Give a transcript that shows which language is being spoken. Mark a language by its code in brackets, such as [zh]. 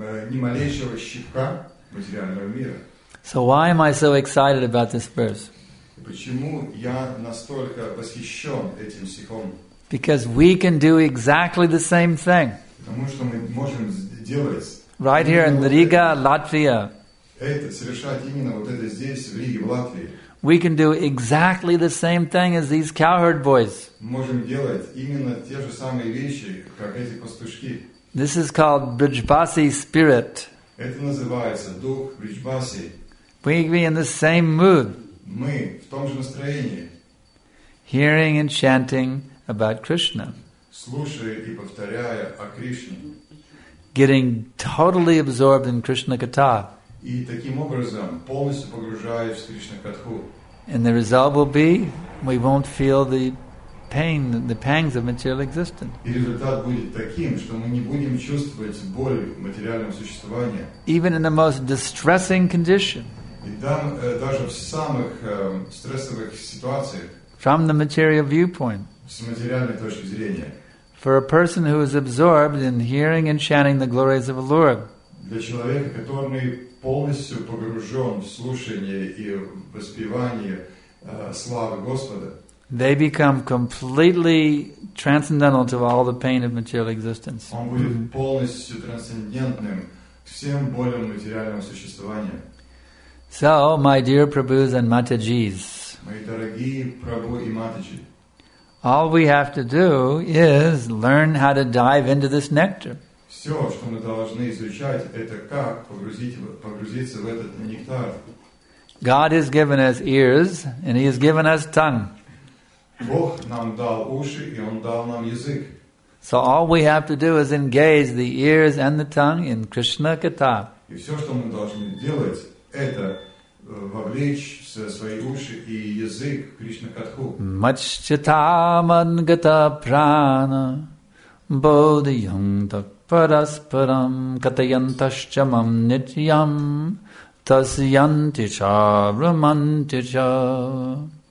[ru] Ни малейшего щипка материального мира. [en] So why am I so excited about this verse? [ru] Почему я настолько восхищен этим стихом? [en] Because we can do exactly the same thing. [ru] Потому что мы можем делать. [en] Right here in Riga, Latvia. [ru] Это совершать именно вот это здесь в Риге, в Латвии. [en] We can do exactly the same thing as these cowherd boys. [ru] Можем делать именно те же самые вещи, как эти пастушки. [en] This is called Brijbasi spirit. [ru] Это называется дух Брижбаси. [en] We can be in the same mood. [ru] Мы в том же настроении. [en] Hearing and chanting about Krishna. [ru] Слушая и повторяя о Кришне. [en] Getting totally absorbed in Krishna katha. [ru] И таким образом полностью погружаясь в Кришна катху. [en] And the result will be we won't feel the pain, the pangs of material existence. [ru] И результат будет таким, что мы не будем чувствовать боль в материальном существовании. [en] Even in the most distressing condition. [ru] Даже в самых стрессовых ситуациях. [en] From the material viewpoint. [ru] С материальной точки зрения. [en] For a person who is absorbed in hearing and chanting the glories of the Lord. [ru] Для человека, который полностью погружен в слушание и воспевание славы Господа. [en] They become completely transcendental to all the pain of material existence. [ru] Он будет полностью трансцендентным всем болям материального существования. [en] So, my dear Prabhus and Matajis. [ru] Мои дорогие Прабу и Матаджи. [en] All we have to do is learn how to dive into this nectar. [ru] Все, что мы должны изучать, это как погрузиться в этот нектар. [en] God has given us ears, and He has given us tongue. [ru] Бог нам дал уши, и Он дал нам язык. [en] So all we have to do is engage the ears and the tongue in Krishna katha. [ru] И все, что мы должны делать, это вовлечь свои уши и язык в Кришна катху. [sa] Маччита мангата прана бодхиям так параспарам катаянташча мам нитьям тасьянти ча браманти ча.